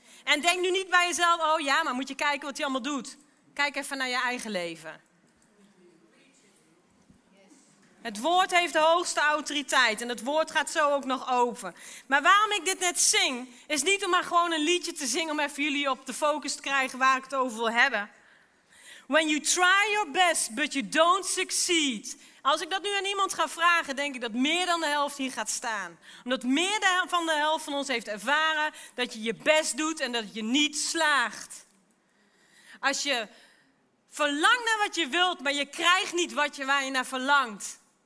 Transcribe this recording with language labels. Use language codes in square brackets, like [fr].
[nl] En denk nu niet bij jezelf, oh ja, maar moet je kijken wat hij allemaal doet. Kijk even naar je eigen leven. Het woord heeft de hoogste autoriteit en het woord gaat zo ook nog open. Maar waarom ik dit net zing, is niet om maar gewoon een liedje te zingen om even jullie op de focus te krijgen waar ik het over wil hebben. [en] When you try your best, but you don't succeed. [nl] Als ik dat nu aan iemand ga vragen, denk ik dat meer dan de helft hier gaat staan. Omdat meer van de helft van ons heeft ervaren dat je je best doet en dat je niet slaagt. Als je verlangt naar wat je wilt, maar je krijgt niet waar je naar verlangt.